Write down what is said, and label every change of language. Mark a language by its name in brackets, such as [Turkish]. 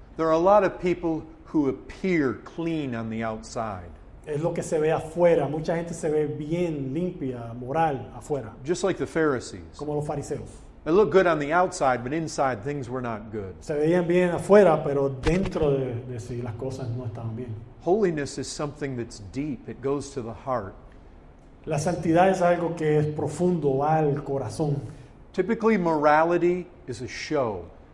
[English] There are a lot of people who appear clean on the outside. [Spanish] Es lo que se ve afuera. Mucha gente se ve bien, limpia, moral, afuera. [English] Just like the Pharisees. [Spanish] Como los fariseos. [English] They look good on the outside, but inside things were not good. [Spanish] Se veían bien afuera, pero dentro de sí las cosas no estaban bien. [English] Holiness is something that's deep. It goes to the heart. [Spanish] La santidad es algo que es profundo, va al corazón. [English] Typically, morality is a show.